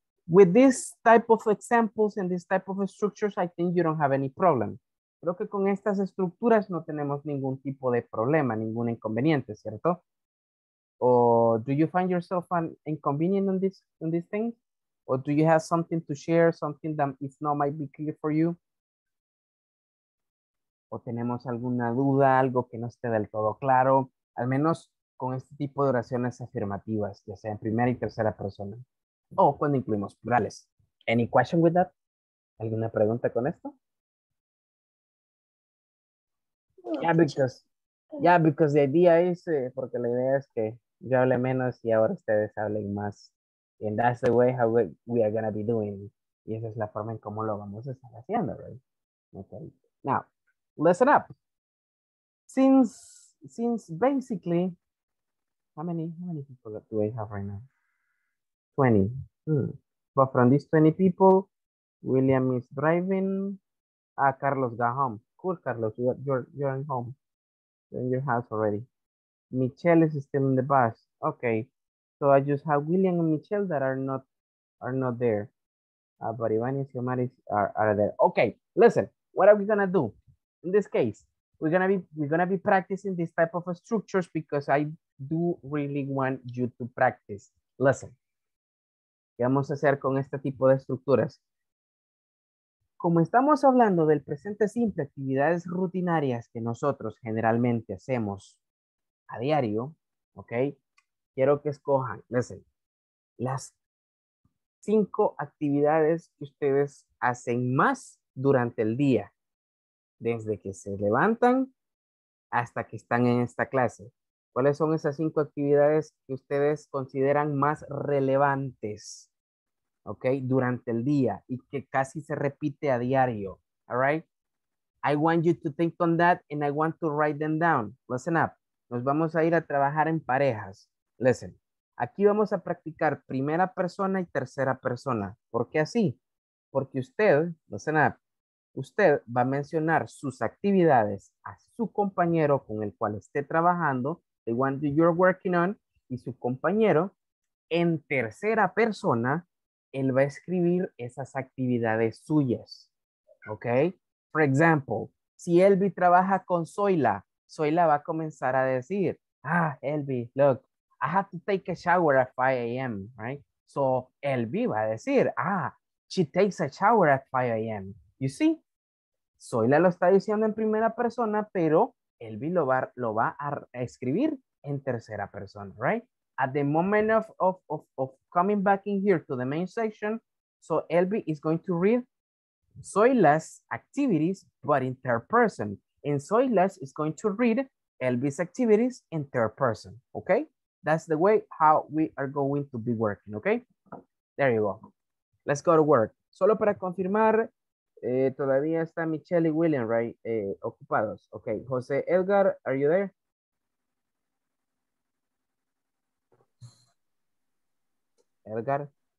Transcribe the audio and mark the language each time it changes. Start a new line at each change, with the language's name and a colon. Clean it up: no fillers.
English: With this type of examples and this type of structures, I think you don't have any problem.
Spanish: Creo que con estas estructuras no tenemos ningún tipo de problema, ningún inconveniente, ¿cierto?
English: ¿O do you find yourself an inconvenient on this thing? ¿O do you have something to share, something that if not might be clear for you?
Spanish: ¿O tenemos alguna duda, algo que no esté del todo claro? Al menos con este tipo de oraciones afirmativas, ya sea en primera y tercera persona. O cuando incluimos plurales.
English: Any question with that?
Spanish: ¿Alguna pregunta con esto?
English: Yeah, because the idea is,
Spanish: porque la idea es que yo hable menos y ahora ustedes hablen más.
English: And that's the way how we are going to be doing.
Spanish: Y esa es la forma en cómo lo vamos a estar haciendo, right?
English: Okay. Now, listen up. Since basically, how many people do we have right now? 20. But from these 20 people, William is driving. Ah, Carlos got home. Cool, Carlos, you're in home. You're in your house already. Michelle is still in the bus. Okay. So I just have William and Michelle that are not there. But Ivani and Xiomara are there. Okay, listen. What are we gonna do? In this case, we're gonna be practicing this type of structures because I do really want you to practice. Listen.
Spanish: ¿Qué vamos a hacer con este tipo de estructuras? Como estamos hablando del presente simple, actividades rutinarias que nosotros generalmente hacemos a diario, ¿ok? Quiero que escojan, listen, las 5 actividades que ustedes hacen más durante el día, desde que se levantan hasta que están en esta clase. ¿Cuáles son esas 5 actividades que ustedes consideran más relevantes? ¿Ok? Durante el día y que casi se repite a diario.
English: All right? I want you to think on that and I want to write them down. Listen up.
Spanish: Nos vamos a ir a trabajar en parejas. Listen. Aquí vamos a practicar primera persona y tercera persona. ¿Por qué así? Porque usted,
English: listen up,
Spanish: usted va a mencionar sus actividades a su compañero con el cual esté trabajando
English: the one that you're working on,
Spanish: y su compañero, en tercera persona, él va a escribir esas actividades suyas. ¿Ok?
English: For example,
Spanish: si Elvi trabaja con Zoila, Zoila va a comenzar a decir,
English: ah, Elvi, look, I have to take a shower at 5 a.m., right? So, Elvi
Spanish: va a decir,
English: ah, she takes a shower at 5 a.m. You see?
Spanish: Zoila lo está diciendo en primera persona, pero Elvi lo va a escribir en tercera persona, right?
English: At the moment of coming back in here to the main section, so Elvi is going to read Zoila's activities, but in third person. And Zoila is going to read Elvi's activities in third person, okay? That's the way how we are going to be working, okay? There you go. Let's go to work.
Spanish: Solo para confirmar, todavía está Michelle y William, right? Ocupados.
English: Okay, Jose Edgar, are you there? Edgar?